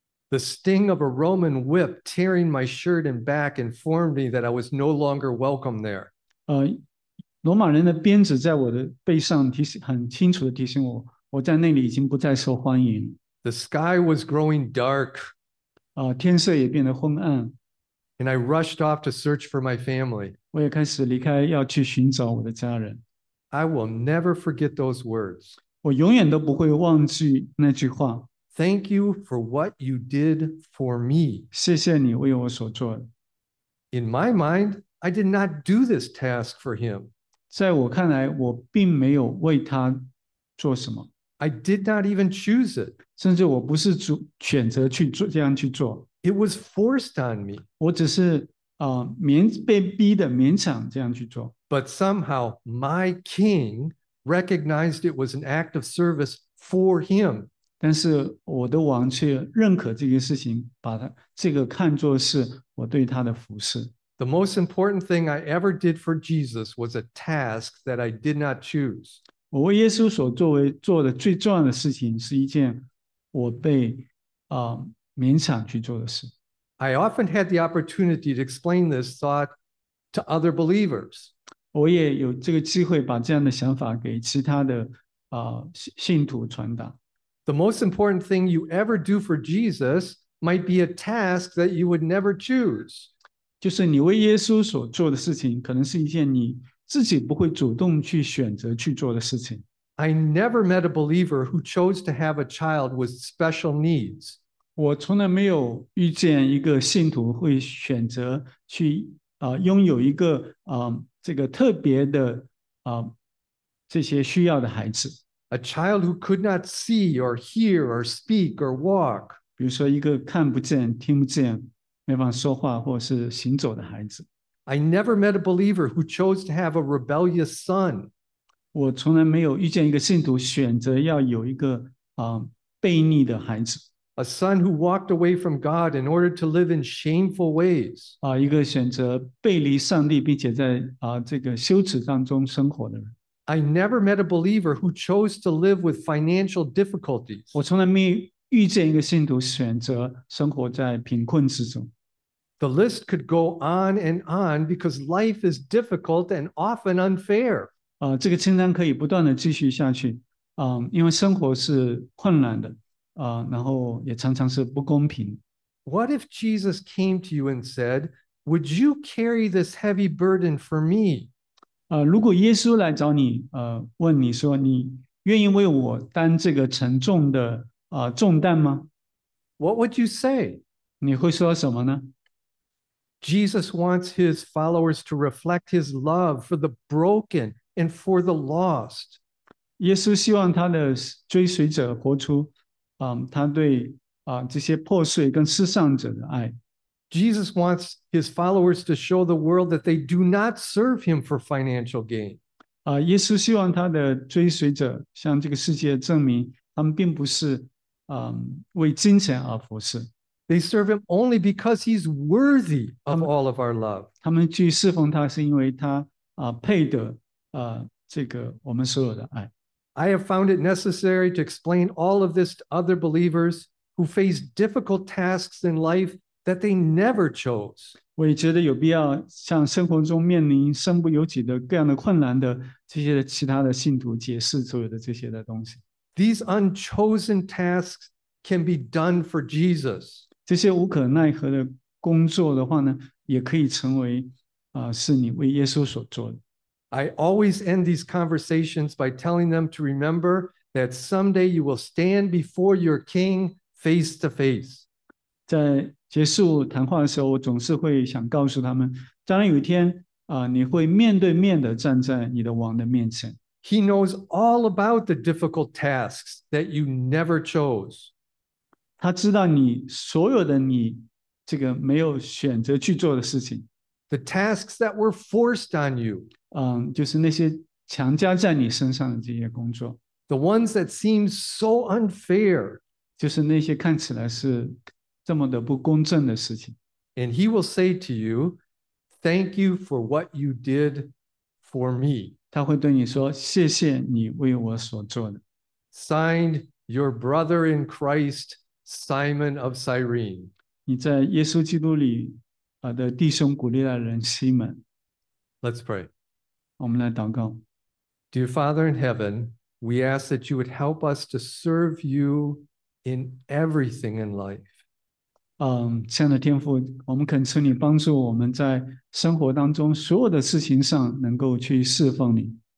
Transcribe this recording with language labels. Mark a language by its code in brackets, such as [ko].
[en] The sting of a Roman whip tearing my shirt and back informed me that I was no longer welcome there. [zh] 罗马人的鞭子在我的背上很清楚地提醒我，我在那里已经不再受欢迎。 [en] The sky was growing dark. [zh] 天色也变得昏暗。 [en] And I rushed off to search for my family. [zh] 我也开始离开，要去寻找我的家人。 [en] I will never forget those words. [zh] 我永远都不会忘记那句话。 [en] Thank you for what you did for me. [zh] 谢谢你为我所做的。 [en] In my mind, I did not do this task for him. [zh] 在我看来，我并没有为他做什么。 [en] I did not even choose it. [zh] 甚至我不是选择去做这样去做。 [en] It was forced on me. [zh] 我只是被逼的勉强这样去做。 [en] But somehow, my king recognized it was an act of service for him. [zh] 但是我的王却认可这个事情，把他这个看作是我对他的服侍。 [en] The most important thing I ever did for Jesus was a task that I did not choose. [zh] 我为耶稣所做的最重要的事情是一件我被勉强去做的事。 [en] I often had the opportunity to explain this thought to other believers. [zh] 我也有这个机会把这样的想法给其他的信徒传达。 [en] The most important thing you ever do for Jesus might be a task that you would never choose. [zh] 就是你为耶稣所做的事情，可能是一件你自己不会主动去选择去做的事情。 [en] I never met a believer who chose to have a child with special needs. [zh] 我从来没有遇见一个信徒会选择去拥有一个这个特别的这些需要的孩子。 [en] A child who could not see or hear or speak or walk. [zh] 比如说一个看不见、听不见、没法说话或是行走的孩子。 [en] I never met a believer who chose to have a rebellious son. [zh] 我从来没有遇见一个信徒选择要有一个悖逆的孩子。 [en] A son who walked away from God in order to live in shameful ways. [zh] 一个选择背离上帝并且在这个羞耻当中生活的人。 [en] I never met a believer who chose to live with financial difficulties. [zh] 我从来没遇见一个信徒选择生活在贫困之中。 [en] The list could go on and on because life is difficult and often unfair. [zh] 这个清单可以不断的继续下去，因为生活是困难的，然后也常常是不公平。 [en] What if Jesus came to you and said, "Would you carry this heavy burden for me?" [zh] 如果耶稣来找你，问你说，你愿意为我担这个沉重的重担吗 [en] ？What would you say？ [zh] 你会说什么呢 [en] ？Jesus wants his followers to reflect his love for the broken and for the lost。 [zh] 耶稣希望他的追随者活出，他对这些破碎跟失丧者的爱。 [en] Jesus wants his followers to show the world that they do not serve him for financial gain. [zh] 耶稣希望他的追随者向这个世界证明他们并不是为金钱而服侍。 [en] They serve him only because he's worthy of all of our love. [zh] 他们去侍奉他是因为他配得这个我们所有的爱。 [en] I have found it necessary to explain all of this to other believers who face difficult tasks in life that they never chose. [zh] 我我也觉得有必要向生活中面临身不由己的各样的困难的这些其他的信徒解释所有的这些的东西。 [en] These unchosen tasks can be done for Jesus. [zh] 这些无可奈何的工作的话呢，也可以成为是你为耶稣所做的。 [en] I always end these conversations by telling them to remember that someday you will stand before your King face to face. [zh] 在结束谈话的时候，我总是会想告诉他们，将来有一天你会面对面的站在你的王的面前。 [en] He knows all about the difficult tasks that you never chose. [zh] 他知道你所有的你这个没有选择去做的事情。 [en] The tasks that were forced on you. [zh] 就是那些强加在你身上的这些工作。 [en] The ones that seem so unfair. [zh] 就是那些看起来是这么的不公正的事情。 [en] And he will say to you, thank you for what you did for me. [zh] 他会对你说，谢谢你为我所做的。 [en] Signed, your brother in Christ, Simon of Cyrene. [zh] 你在耶稣基督里的弟兄古利奈人西门。 [en] Let's pray. [zh] 我们来祷告。 [en] Dear Father in heaven, we ask that you would help us to serve you in everything in life. [zh] 亲爱的天父，我们恳求你帮助我们在生活当中所有的事情上能够去侍奉你。